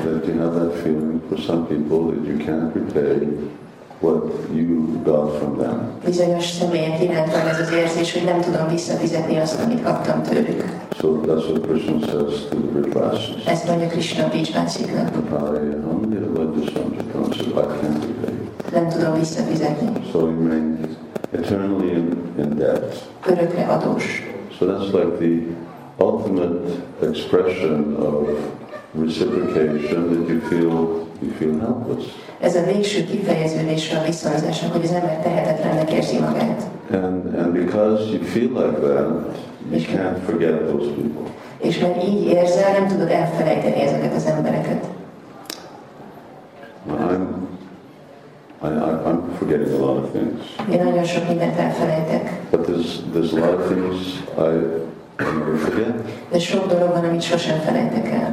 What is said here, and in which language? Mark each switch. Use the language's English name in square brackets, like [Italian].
[English] That you have that feeling for some people that you can't repay what you got from them. [Hungarian] Bizonyos személyek iránt van ez az érzés, hogy nem tudom visszafizetni azt, amit kaptam tőlük. [English] So that's what Krishna says to the Vrijvasis. [Hungarian] Ezt mondja Krishna Vrijvasisnak. [English] Nahari and Hanuman, the legend of Krishna, I can't repay. [Hungarian] Nem tudom visszafizetni. [English] So you remain eternally in debt. [Hungarian] Örökre adós. [English] So that's like the ultimate expression of reciprocation that you feel helpless. [Hungarian] Ez a végső kifejeződésre a visszahozásnak, hogy az ember tehetetlennek érzi magát. [English] And because you feel like that, you can't forget those people. [Hungarian] És mert így érzel, nem tudod elfelejteni ezeket az embereket. [English] I'm forgetting a lot of things. [Hungarian] Én nagyon sok mindent elfelejtek. [English] But there's a lot of things I never forget. [Hungarian] De sok dolog van, amit sosem felejtek el.